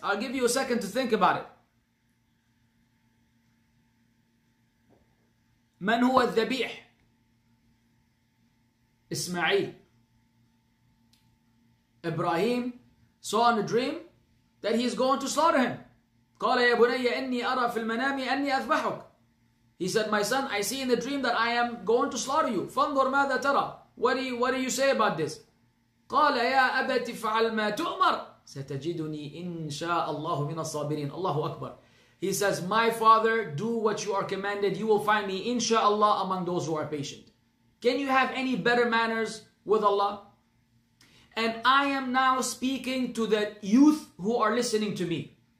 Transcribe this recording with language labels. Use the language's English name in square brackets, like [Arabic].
[English] I'll give you a second to think about it. [Arabic] من هو الذبيح؟ إسماعيل. [English] إبراهيم saw in a dream that he is going to slaughter him. [Arabic] قال يا بني إني أرى في المنام أني أذبحك. [English] He said, my son, I see in the dream that I am going to slaughter you. [Arabic] فانظر ماذا ترى. [English] What do you say about this? [Arabic] قال يا أبت فعل ما تؤمر. ستجدني إن شاء الله من الصابرين. الله أكبر. [English] He says, my father, do what you are commanded. You will find me, inshallah, among those who are patient. Can you have any better manners with Allah? And I am now speaking to the youth who are listening to me.